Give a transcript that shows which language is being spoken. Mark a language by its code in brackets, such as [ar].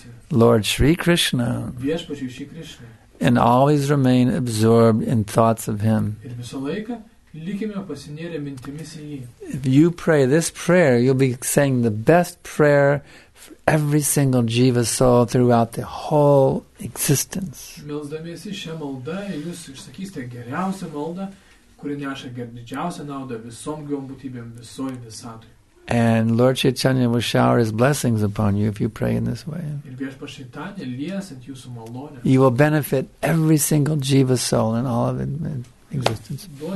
[en] Lord Shri Krishna. And always remain absorbed in thoughts of Him. If you pray this prayer, you'll be saying the best prayer every single jiva soul throughout the whole existence. [lt] Melsdamiesi šią maldą, jūs išsakysite geriausią maldą, kuri neša didžiausią naudą visom gyvom būtybėm, visoj visatoj. [en] And Lord Chaitanya will shower His blessings upon you if you pray in this way. You will benefit every single jiva soul in all of existence.